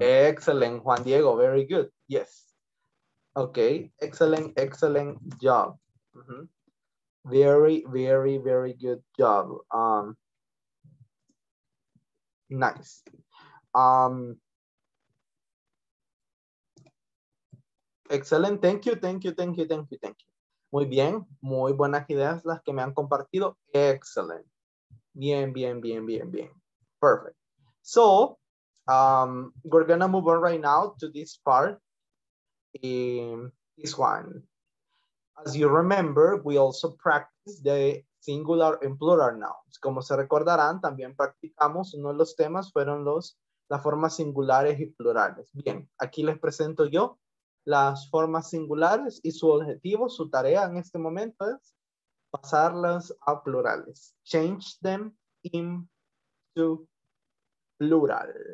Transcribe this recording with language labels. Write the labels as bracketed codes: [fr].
[en] Excellent, Juan Diego, very good. Yes. Okay, excellent job. Mm-hmm. Very, very, very good job. Nice. Excellent. Thank you, thank you, thank you, thank you, thank you. [es] Muy bien. Muy buenas ideas las que me han compartido. [en] Excellent. [es] Bien, bien, bien, bien, bien. [en] Perfect. So, we're going to move on right now to this part. This one. As you remember, we also practice the singular and plural nouns. [es] Como se recordarán, también practicamos uno de los temas, fueron los las formas singulares y plurales. Bien, aquí les presento yo las formas singulares y su objetivo, su tarea en este momento es pasarlas a plurales. [en] Change them into plural.